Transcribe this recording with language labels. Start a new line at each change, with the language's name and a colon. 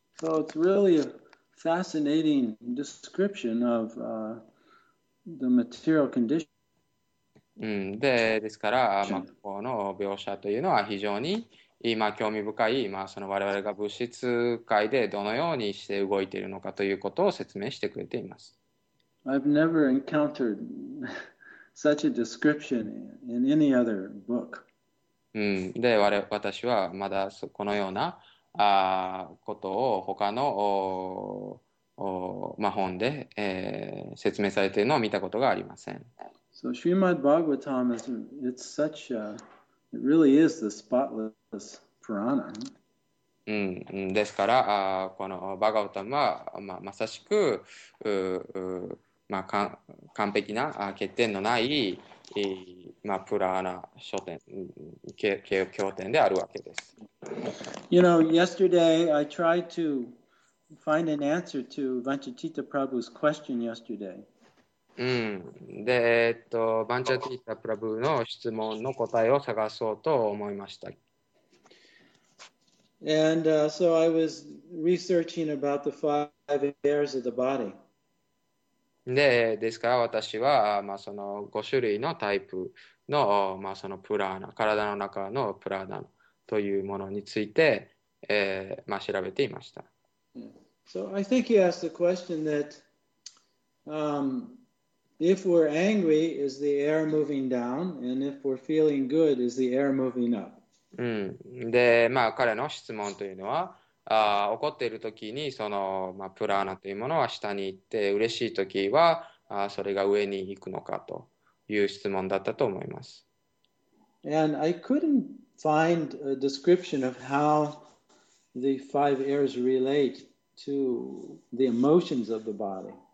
English: So it's really a fascinating description of, the material condition.
Japanese: ですから、この描写というのは非常に興味深い、その我々が物質界でどのようにして動いているのかということを説明してくれています。
English: I've never encountered such a description in any other book.
Japanese: で、私はまだこのようなことを他の本で、説明されているのを見たことがありません。
English: So Srimad Bhagavatam is it's such a, it really is the spotless Purana.
Japanese: ですから、このバガヴァタムは、まさしく、完璧な欠点のない、プラーナ書店、経典であるわけです。
English: You know, yesterday I tried to find an answer to Vanchatita Prabhu's question yesterday.
Japanese: で、Vanchatita Prabhu の質問の答えを探そうと思いました。
English: And so I was researching about the five airs of the body.
Japanese: で、ですから私は、その5種類のタイプの、そのプラーナ、体の中のプラーナというものについて、調べていました。
English: So I think you asked the question that if we're angry, is the air moving down? And if we're feeling good, is the air moving up?
Japanese: で、彼の質問というのは、怒っているときにその、プラーナというものは下に行って、嬉しいときはそれが上に行くのかという質問だったと思います。
English: And I couldn't find a description of how the five airs relate to the emotions of the body.